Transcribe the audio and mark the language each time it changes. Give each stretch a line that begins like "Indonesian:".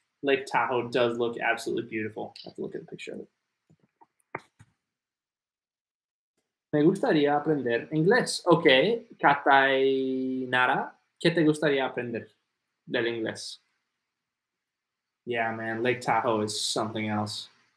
English: Lake Tahoe does look absolutely beautiful. I have to look at the picture of it.
Spanish: Me gustaría aprender inglés. Okay, Katainara, ¿qué te gustaría aprender del inglés?
English: Yeah, man, Lake Tahoe is something else.